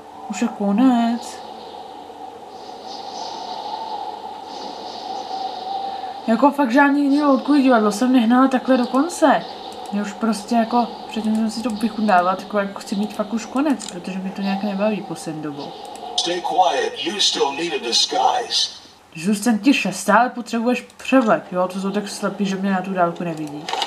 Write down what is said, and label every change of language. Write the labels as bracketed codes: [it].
[cs] Už je konec. Jako fakt žádný jiný loutkový divadlo jsem nehnala takhle do konce. Mě už prostě jako, předtím jsem si to vychudnala, tak jako chci mít fakt už konec, protože mi to nějak nebaví poslední dobou. [en] Stay quiet, you still need a disguise. [cs] Zůstaň tiše, stále potřebuješ převlek, jo? To jsou tak slepý, že mě na tu dálku nevidí.